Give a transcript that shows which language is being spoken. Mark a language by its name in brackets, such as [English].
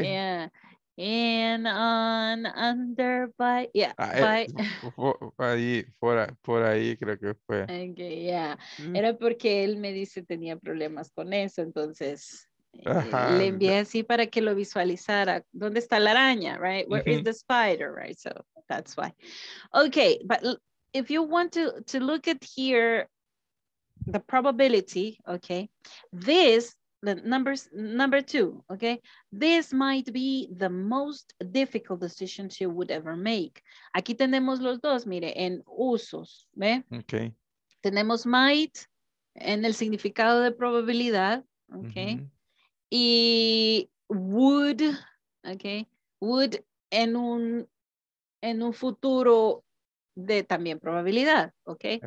[English] Yeah. And on, under, by, yeah, ah, by. [Spanish] Por ahí creo que fue. Okay, yeah. Mm. Era porque él me dice tenía problemas con eso, entonces le envié así para que lo visualizara. ¿Dónde está la araña? [English] Right? Where mm-hmm. is the spider? Right? So that's why. Okay, but if you want to look at here, the probability, okay, this, the number two, okay, this might be the most difficult decision she would ever make. [Spanish] Aquí tenemos los dos, mire, en usos, ¿ve? Okay. Tenemos might en el significado de probabilidad, okay, mm-hmm. y would, okay, would en un futuro de también probabilidad, okay?